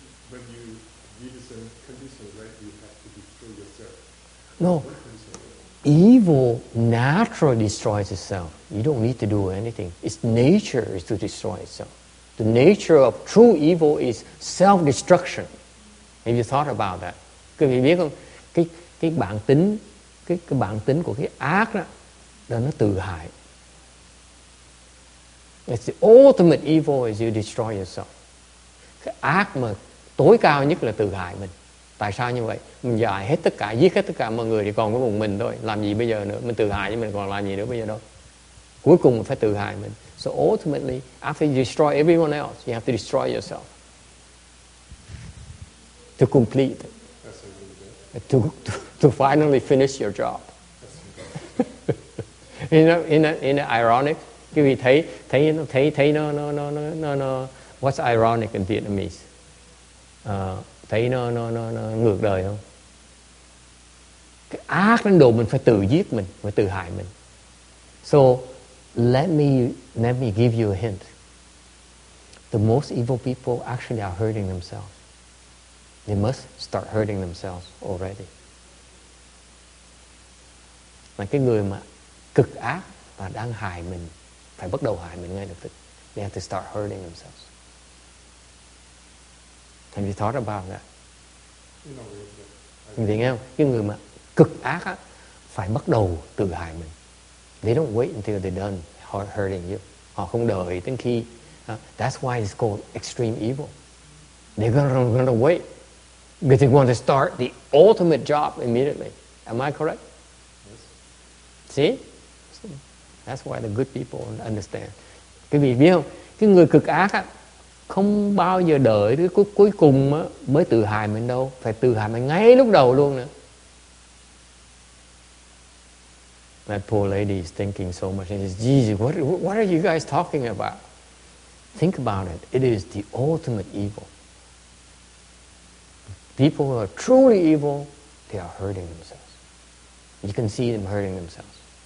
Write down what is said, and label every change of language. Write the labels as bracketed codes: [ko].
[en] When you need a certain condition, right, you have to destroy yourself. No. Evil naturally destroys itself. You don't need to do anything. Its nature is to destroy itself. The nature of true evil is self-destruction. Have you thought about that? [vi] Các vị biết không? Cái bản tính của cái ác đó là nó tự hại. [en] It's the ultimate evil is you destroy yourself. [vi] Cái ác mà tối cao nhất là tự hại mình. Tại sao như vậy? Mình giải hết tất cả, giết hết tất cả mọi người thì còn có một mình thôi. Làm gì bây giờ nữa? Mình tự hại nhưng mình còn làm gì nữa bây giờ đâu. Cuối cùng mình phải tự hại mình. [en] So ultimately, after you destroy everyone else, you have to destroy yourself. To complete it. To finally finish your job. In ironic, [vi] quý vị thấy no. [en] What's ironic in Vietnamese? [vi] Thấy nó ngược đời không? Cái ác đến độ mình phải tự giết mình, phải tự hại mình. [en] So let me give you a hint. The most evil people actually are hurting themselves. They must start hurting themselves already. [vi] Là cái người mà cực ác và đang hại mình, phải bắt đầu hại mình ngay lập tức. [en] They have to start hurting themselves. Have you thought about that? [vi] Mình thấy nghe không? Cái người mà cực ác á, phải bắt đầu tự hại mình. [en] They don't wait until they're done hurting you. [vi] Họ không đợi đến khi. [en] That's why it's called extreme evil. They're gonna wait. Because they want to start the ultimate job immediately. Am I correct? Yes. See? That's why the good people understand. [vi] Quý vị biết không? Cái người cực ác á, không bao giờ đợi tới cuối cùng á, mới tự hại mình đâu. Phải tự hại mình ngay lúc đầu luôn nữa. [en] That poor lady is thinking so much. She says, Jesus, what are you guys talking about? Think about it. It is the ultimate evil. People who are truly evil, they are hurting themselves. You can see them hurting themselves.